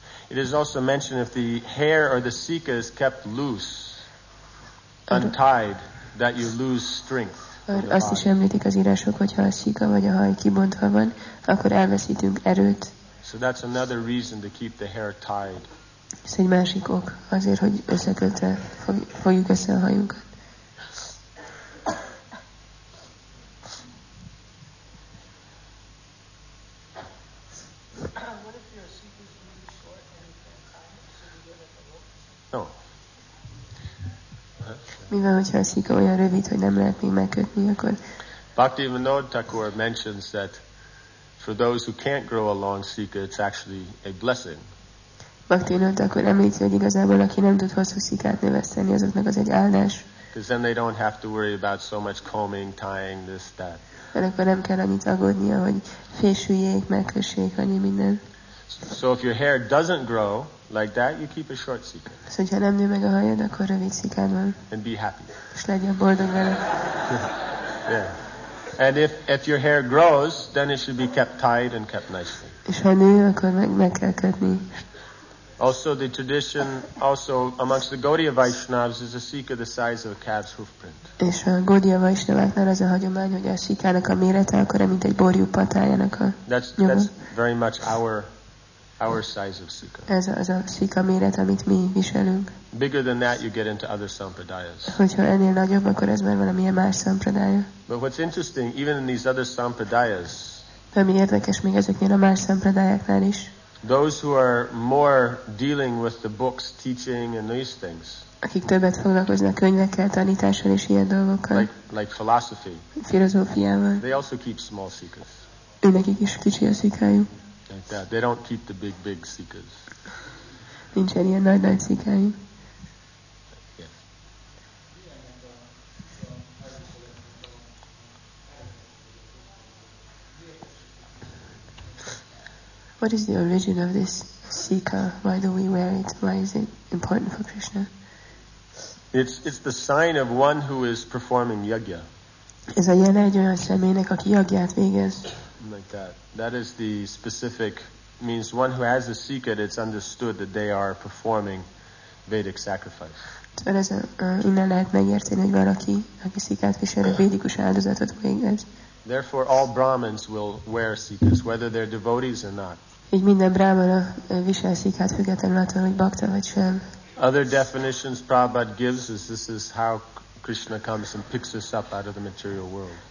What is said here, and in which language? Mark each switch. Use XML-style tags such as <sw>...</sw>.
<en>It is also mentioned if the hair or the sika is kept loose, untied, that you lose strength.</en> <hu>Azt is említik az írások, hogyha a sika vagy a haj kibontva van, akkor elveszítünk erőt.</hu> <en>So that's another reason to keep the hair tied.</en> <hu>Ez egy másik ok azért, hogy összekötve fogjuk össze a hajunkat. Mi van, hogyha a szika olyan rövid, hogy nem lehet még megkötni, akkor...</hu> <en>Bhaktivinoda Thakur mentions that for those who can't grow a long sika, it's actually a blessing.</en> <hu>Bhaktivinoda Thakur említi, hogy igazából aki nem tud hosszú szikát növeszteni, azoknak az egy áldás.</hu> <en>Because then they don't have to worry about so much combing, tying, this, that.</en> <hu>Mert akkor nem kell annyit aggódnia, hogy fésüljék, megkössék, annyi minden.</hu> <en>So if your hair doesn't grow like that, you keep a short sika.</en> <hu>So ha nem nő meg a hajad, akkor rövid sikád van.</hu> <en>And be happy.</en> <hu>És legyen boldog vele.</hu> <en>Yeah. And if your hair grows, then it should be kept tied and kept nicely.</en> <hu>És ha nő, akkor meg kell kötni.</hu> <en>Also, the tradition also amongst the Gaudiya Vaishnavas is a sika the size of a calf's hoofprint.</en> <hu>És a Gaudiya Vaishnavaknál az a hagyomány, hogy a sikának a mérete akkor mint egy borjú patájának a nyoma.</hu> <en>That's very much our size of sika.</en> <hu>Ez az a sika méret, amit mi viselünk.</hu> <en>Bigger than that, you get into other sampradayas.</en> <hu>Hogyha ennél nagyobb, akkor ez már valamilyen más sampradaya.</hu> <en>But what's interesting, even in these other sampradayas.</en> <hu>De mi érdekes még ezeknél a más sampradayáknál is.</hu> <en>Those who are more dealing with the books, teaching, and these things.</en> <hu>Akik többet foglalkoznak könyvekkel, tanítással és ilyen dolgokkal.</hu> <en>Like philosophy.</en> <hu>Filozófiával.</hu> <en>They also keep small sikas.</en> <hu>Ő nekik is kicsi a szikájuk.</hu> <en>Like that. They don't keep the big seekers.</en> <hu>Nincsen ilyen nagy seekers.</hu> <en>Yes. what is the origin of this sikha? Why do we wear it? Why is it important for Krishna? It's the sign of one who is performing yajna.</en> <hu>Ez a jel egy olyan személynek, aki yajnát végez.</hu> <en>Like that. That is the specific, means one who has a sikha, it's understood that they are performing Vedic sacrifice.</en> <hu>Ez innen lehet megérteni, hogy valaki, aki sikhát visel, a védikus áldozatot végez.</hu> <en>Therefore, all Brahmins will wear sikhas, whether they're devotees or not.</en> <hu>Így minden brahmana visel sikhát, függetlenül attól, hogy bhakta vagy sem.</hu> <en>Other definitions Prabhupada gives is this is how Krishna comes and picks us up out of the material world.</en>